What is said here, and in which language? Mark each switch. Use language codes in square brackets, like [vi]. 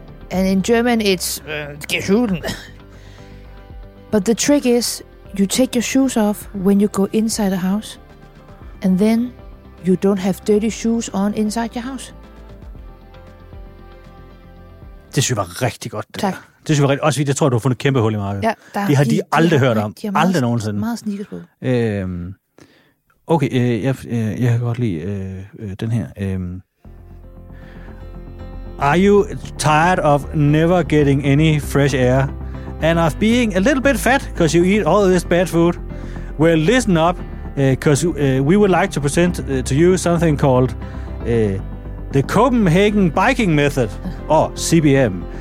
[en] And in German, it's geschulden. But the trick is, you take your shoes off when you go inside a house, and then you don't have dirty shoes on inside your house. [da] Det synes jeg var rigtig godt, det tak. Der. Det synes jeg var rigtig, også fordi jeg tror, du har fundet et kæmpe hul i markedet. Ja, det har de aldrig hørt om. Meget, aldrig nogensinde. Meget sneakers på. Okay, jeg kan godt lide den her. [en] Are you tired of never getting any fresh air and of being a little bit fat because you eat all this bad food? Well, listen up, because we would like to present to you something called the Copenhagen Biking Method, or CBM.